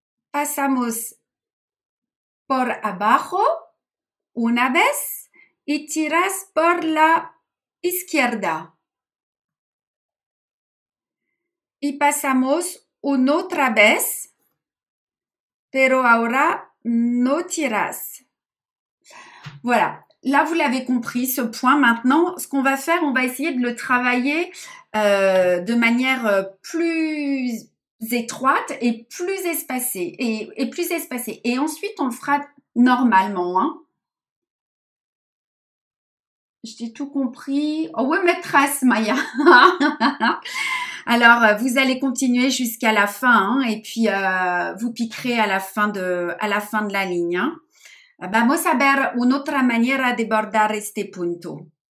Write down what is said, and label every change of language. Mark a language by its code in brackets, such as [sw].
[es] Pasamos por abajo una vez y tiras por la izquierda. Y pasamos una otra vez, pero ahora no tiras. [fr] Voilà, là vous l'avez compris ce point. Maintenant, ce qu'on va faire, on va essayer de le travailler de manière plus étroite et plus espacée et plus espacée. Et ensuite, on le fera normalement. Hein. J'ai tout compris. Oh oui, maîtresse Maya. Alors, vous allez continuer jusqu'à la fin hein, et puis vous piquerez à la fin de la ligne. Hein. [es] Vamos a ver una otra manera de bordar este punto.